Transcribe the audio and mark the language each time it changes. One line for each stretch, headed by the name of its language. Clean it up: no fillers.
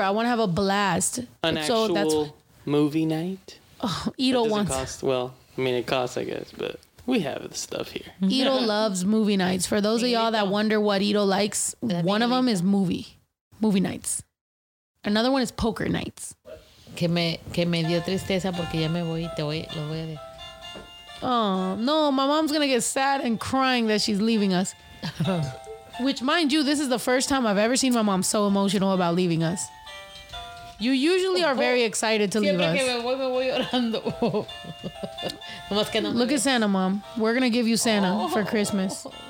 English: I want to have a blast. An so actual that's, movie night. Ito wants. Cost, well, I mean, it costs, I guess, but we have the stuff here. Ito loves movie nights. For those of y'all that wonder what Ito likes, that one of them is movie nights. Another one is poker nights.
Spanish: Que me dio tristeza porque ya me voy y te voy, lo voy a decir.
English: Oh, no, my mom's going to get sad and crying that she's leaving us. Which, mind you, this is the first time I've ever seen my mom so emotional about leaving us. You usually are very excited to leave us. Look at Santa, Mom. We're going to give you Santa for Christmas.